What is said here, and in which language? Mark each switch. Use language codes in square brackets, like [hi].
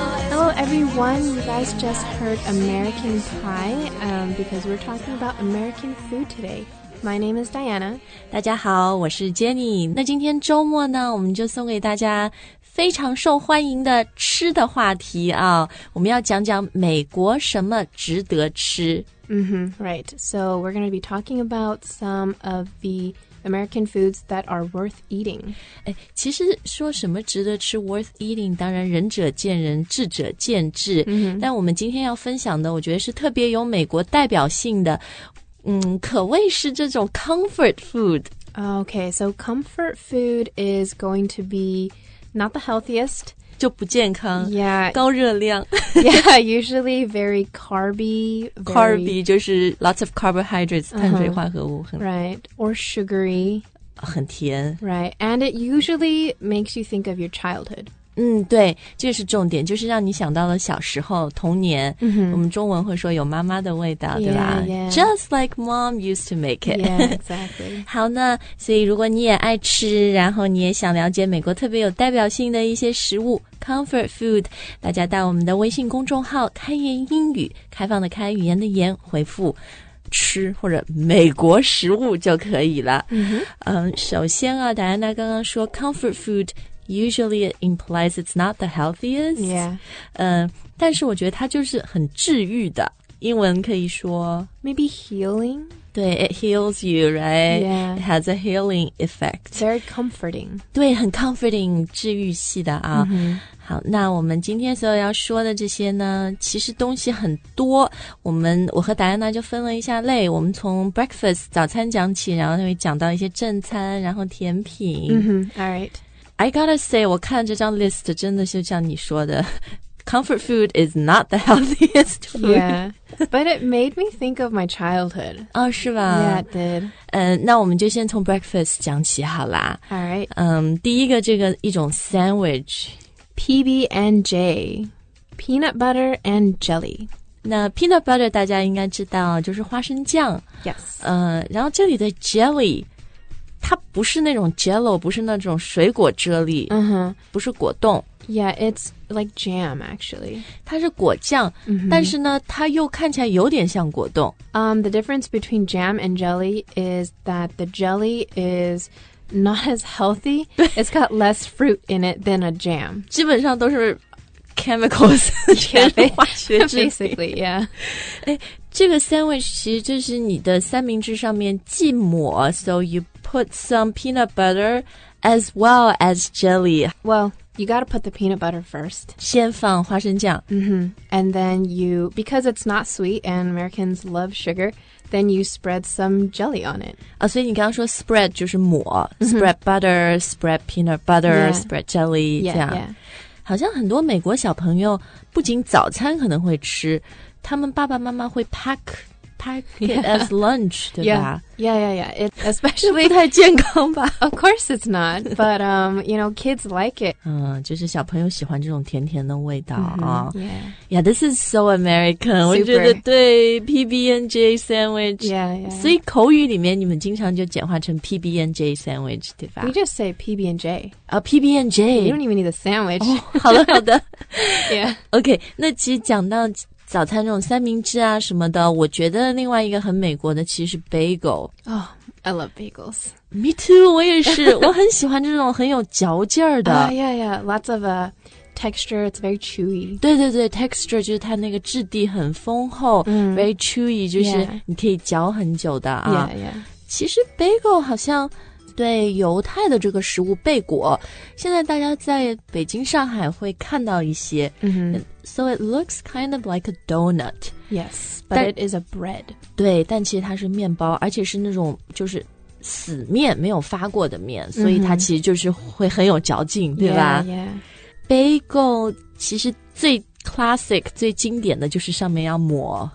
[en] Hello everyone, you guys just heard American Pie, because we're talking about American food today. My name is Diana. [zh] 大家好，我是 Jenny。那今天周末呢，我们就送给大家非常受欢迎的吃的话题啊，我们要讲讲美国什么值得吃。 [en] Mm-hmm, right, so we're going to be talking about some of the American foods that are worth eating. [zh] 其实说什么值得吃 [en] worth eating, [zh] 当然仁者见仁，智者见智。 Mm-hmm. 但我们今天要分享的我觉得是特别有美国代表性的可谓是这种 comfort food. [en] Okay, so comfort food is going to be not the healthiest. [zh] 就不健康。 [en] Yeah. [zh] 高热量。 [en] Yeah, usually very carby. [zh] Carby 就是 [en] lots of carbohydrates, [zh] 碳水化合物。 [en] Right. Or sugary. [zh] 很甜。 [en] Right. And it usually makes you think of your childhood. [zh] 对，这是重点，就是让你想到了小时候童年、 mm-hmm. 我们中文会说有妈妈的味道 [en] yeah, [zh] 对吧、 [en] yeah. Just like mom used to make it. Yeah, exactly. [zh] 好，那所以如果你也爱吃，然后你也想了解美国特别有代表性的一些食物 Comfort food, 大家到我们的微信公众号开言英语，开放的开，语言的言，回复吃或者美国食物就可以了、 mm-hmm. 首先啊，戴安娜刚刚说 [en] Comfort foodUsually it implies it's not the healthiest. Yeah. [zh] 但是我觉得它就是很治愈的。英文可以说 [en] Maybe healing. 对 it heals you, right? Yeah. It has a healing effect. Very comforting. [zh] 对很 comforting, 治愈系的啊。 Mm-hmm. 好那我们今天所有要说的这些呢其实东西很多。我和戴安娜就分了一下类我们从 breakfast, 早餐讲起然后会讲到一些正餐然后甜品。 [en] Mm-hmm. All right. I gotta say, [zh] 我看这张 list 真的是像你说的 [en] comfort food is not the healthiest food. Yeah, but it made me think of my childhood. [zh] 哦，是吧？ [en] Yeah, it did. [zh] 那我们就先从 breakfast 讲起好啦。 [en] All right. [zh] 第一个这个一种 sandwich. [en] PB&J, peanut butter and jelly. [zh] 那 peanut butter 大家应该知道就是花生酱。 [en] Yes. [zh] 然后这里的 jelly... 它不是那种 jello, 不是那种水果啫喱、 uh-huh. 不是果冻。 [en] Yeah, it's like jam, actually. [zh] 它是果酱、 mm-hmm. 但是呢它又看起来有点像果冻。 [en] The difference between jam and jelly is that the jelly is not as healthy. It's got less fruit in it than a jam. [zh] 基本上都是 chemicals, 全是化学制品。 [en] Basically, yeah. [zh] 这个 sandwich 其实就是你的三明治上面寄抹 [en] so you put some peanut butter as well as jelly. Well, you gotta put the peanut butter first. [zh] 先放花生酱。 Mm-hmm. [en] And then you, because it's not sweet and Americans love sugar, then you spread some jelly on it. [zh] 所以你刚刚说 spread 就是抹、mm-hmm. [en] spread butter, spread peanut butter,、 yeah. spread jelly, 这样。 Yeah, yeah. [zh] 好像很多美国小朋友不仅早餐可能会吃他们爸爸妈妈会 [en] pack it、 yeah. as lunch, 对吧 yeah. yeah, yeah, yeah. It especially [zh] 不太健康吧 [en] Of course it's not, but, you know, kids like it. [zh] 就是小朋友喜欢这种甜甜的味道、 mm-hmm. 啊、 [en] yeah. yeah, this is so American.、 Super. [zh] 我觉得对 PB&J sandwich. [en] Yeah, yeah. [zh] 所以口语里面你们经常就简化成 PB&J sandwich, 对吧 [en] We just say PB&J. PB&J. You don't even need a sandwich.、 [zh] Oh, 好的好的 [en] Yeah. [zh] OK, 那其实讲到早餐这种三明治啊什么的我觉得另外一个很美国的其实是 bagel [en] Oh, I love bagels Me too, [zh] 我也是我很喜欢这种很有嚼劲儿的、 [en] yeah, yeah, lots of texture, it's very chewy [zh] 对对对 texture 就是它那个质地很丰厚、 mm. [en] very chewy [zh] 就是你可以嚼很久的啊 [en] yeah, yeah. [zh] 其实 bagel 好像对犹太的这个食物贝果现在大家在北京上海会看到一些、 mm-hmm. [en] So it looks kind of like a donut Yes, but it is a bread [zh] 对但其实它是面包而且是那种就是死面没有发过的面、 mm-hmm. 所以它其实就是会很有嚼劲对吧 [en] yeah, yeah. [zh] Bagel 其实最 classic 最经典的就是上面要抹